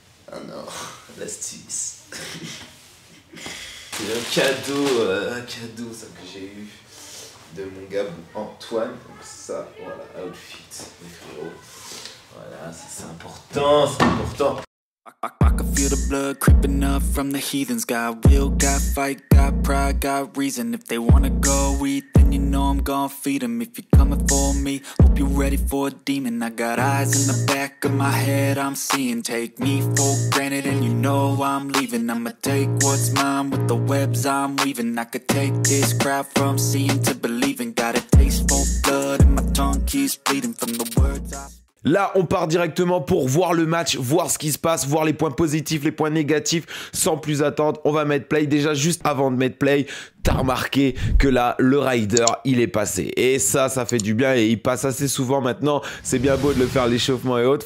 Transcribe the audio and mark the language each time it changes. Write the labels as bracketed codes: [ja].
[fr] Oh non, l'astuce. C'est un cadeau, ça que j'ai eu de mon gars Antoine. Donc, ça, voilà, outfit, mes frérots. Voilà, ça, c'est important. [en] I can feel the blood creeping up from the heathens. Got will, got fight, got pride, got reason. If they wanna go eat, then you know I'm gonna feed them. If you're coming for me, hope you're ready for a demon. I got eyes in the back of my head, I'm seeing. Take me for granted and you know I'm leaving. I'ma take what's mine with the webs I'm weaving. I could take this crowd from seeing to believing. Got a taste for blood and my tongue keeps bleeding from the words I... [fr] Là, on part directement pour voir le match, voir ce qui se passe, voir les points positifs, les points négatifs, sans plus attendre. On va mettre play. Déjà, juste avant de mettre play, t'as remarqué que là, le rider, il est passé. Et ça, ça fait du bien et il passe assez souvent maintenant. C'est bien beau de le faire l'échauffement et autres.